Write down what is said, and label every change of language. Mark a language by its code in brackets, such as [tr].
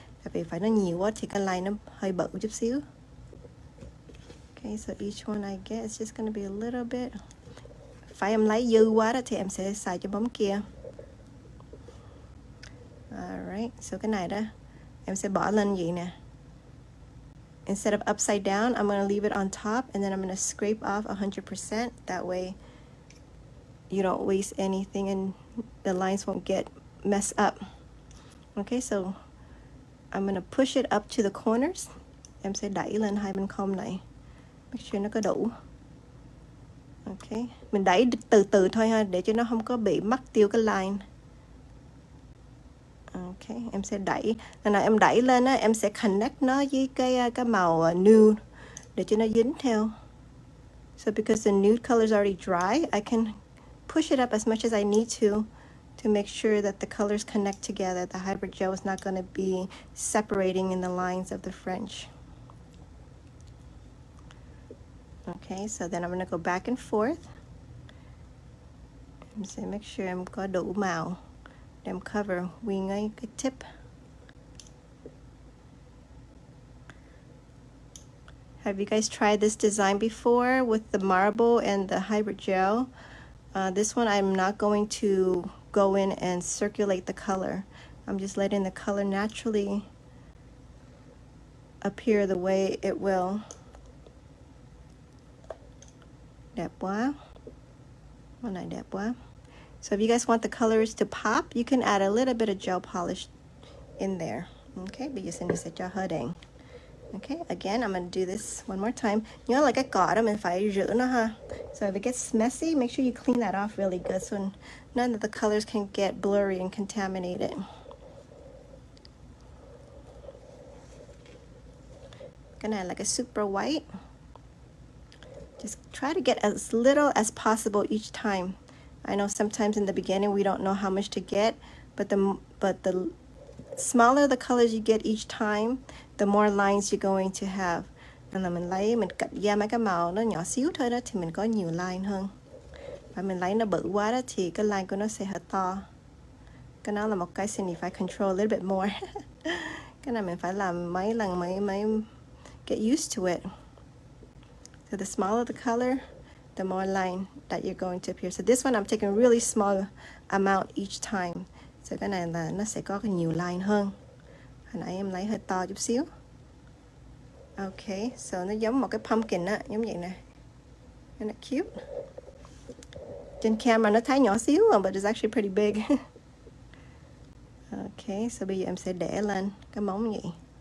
[vi] Tại vì phải nó nhiều quá thì cái line nó hơi bự chút xíu. [en] Okay, so each one I get is just gonna be a little bit. [vi] Phải em lấy dư quá đó thì em sẽ xài cho bóng kia. Alright, so cái này đó em sẽ bỏ lên vậy nè. [en] Instead of upside down, I'm gonna leave it on top and then I'm gonna scrape off 100%. That way you don't waste anything and the lines won't get messed up. Okay, so I'm gonna push it up to the corners. [vi] Em sẽ đẩy lên hai bên khom này. [en] Make sure [vi] nó có đủ. Okay, mình đẩy từ từ thôi ha, để cho nó không có bị mất tiêu cái line. Okay, em sẽ đẩy. Lần nào em đẩy lên á, em sẽ connect nó với cái màu nude để cho nó dính theo. [en] So because the nude color is already dry, I can push it up as much as I need to make sure that the colors connect together. The hybrid gel is not going to be separating in the lines of the French. Okay, so then I'm gonna go back and forth. [vi] Em sẽ [en] make sure [vi] em có đủ màu. Em cover wing ấy, cái tip. [en] Have you guys tried this design before with the marble and the hybrid gel? This one I'm not going to go in and circulate the color. I'm just letting the color naturally appear the way it will. [vi] Đẹp quá. Con này đẹp quá. [en] So if you guys want the colors to pop, you can add a little bit of gel polish in there. [vi] Okay, bây giờ Cindy sẽ cho hơi đen. [en] Okay, again, I'm gonna do this one more time. [vi] Nhớ là cái cỏ đó mình phải rửa nó ha. [en] So if it gets messy, make sure you clean that off really good so none of the colors can get blurry and contaminated. Gonna add like a super white. Just try to get as little as possible each time. I know sometimes in the beginning we don't know how much to get, but the smaller the colors you get each time, the more lines you're going to have. [vi] Nên là mình lấy mình cắt ra mấy cái màu nó nhỏ xíu thôi đó thì mình có nhiều line hơn. Và mình lấy nó bự quá đó thì cái line của nó sẽ hơi to. Cái đó là một cái Cindy phải control [en] a little bit more. [vi] Cái này mình phải làm mấy lần mấy [en] get used to it. So the smaller the color, the more line that you're going to appear. So this one I'm taking a really small amount each time. [vi] So cái này là nó sẽ có nhiều line hơn. Hồi nãy em lấy hơi to chút xíu. Okay, so nó giống một cái pumpkin á, giống vậy nè. [en] Isn't it cute? [vi] Trên camera nó thấy nhỏ xíu, [en] but it's actually pretty big. [vi] Okay, so bây giờ em sẽ để lên cái móng vậy.